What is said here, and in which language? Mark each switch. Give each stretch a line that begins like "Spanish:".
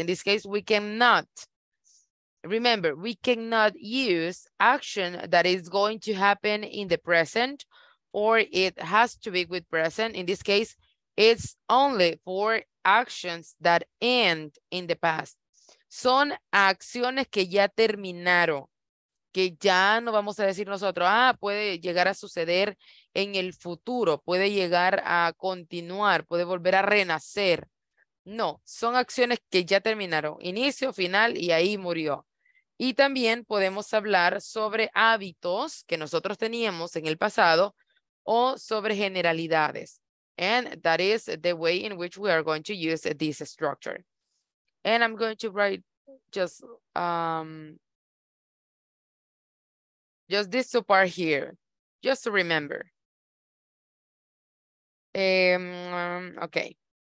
English: In this case, we cannot. Remember, we cannot use action that is going to happen in the present, or it has to be with present. In this case, it's only for actions that end in the past.
Spanish: Son acciones que ya terminaron, que ya no vamos a decir nosotros, ah, puede llegar a suceder en el futuro, puede llegar a continuar, puede volver a renacer. No, son acciones que ya terminaron, inicio, final, y ahí murió. Y también podemos hablar sobre hábitos que nosotros teníamos en el pasado o sobre generalidades.
English: And that is the way in which we are going to use this structure. And I'm going to write just this two part here, just to remember. Okay.